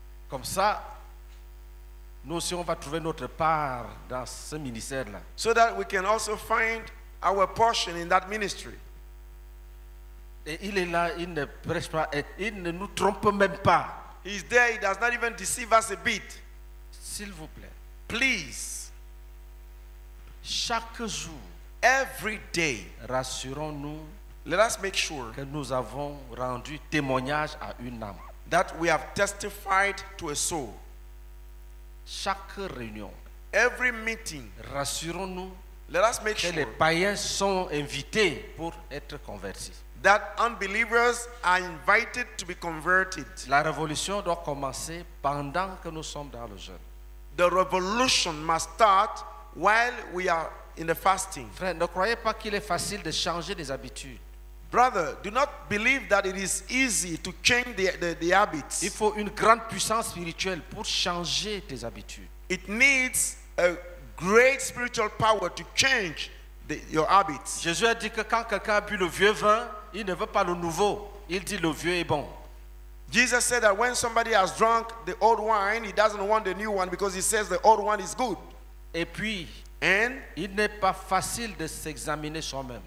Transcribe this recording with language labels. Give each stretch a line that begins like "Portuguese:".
French: Comme ça, nous aussi on va trouver notre part dans ce ministère-là.
English: So that we can also find our portion in that ministry.
French: Et il est là, il ne prêche pas, et il ne nous trompe même pas.
English: He's there, he does not even deceive us a bit.
French: S'il vous plaît.
English: Please.
French: Chaque jour.
English: Every day.
French: Rassurons-nous.
English: Let us make sure
French: que nous avons rendu témoignage à une âme.
English: That we have testified to a soul.
French: Chaque réunion.
English: Every meeting.
French: Rassurons-nous.
English: Let us make
French: que les païens sont invités pour être convertis.
English: that unbelievers are invited to be converted.
French: La révolution doit commencer pendant que nous sommes dans le jeûne.
English: The revolution must start while we are in the fasting.
French: Frère, ne croyez pas qu'il est facile de changer des habitudes.
English: Brother, do not believe that it is easy to change the habits.
French: Il faut une grande puissance spirituelle pour changer tes habitudes.
English: It needs a great spiritual power to change your habits.
French: Jésus a dit que quand quelqu'un a bu le vieux vin, il ne veut pas le nouveau. Il dit le vieux est bon.
English: Jesus said that when somebody has drunk the old wine, he doesn't want the new one because he says the old one is good.
French: Et puis,
English: and
French: il n'est pas facile de s'examiner soi-même.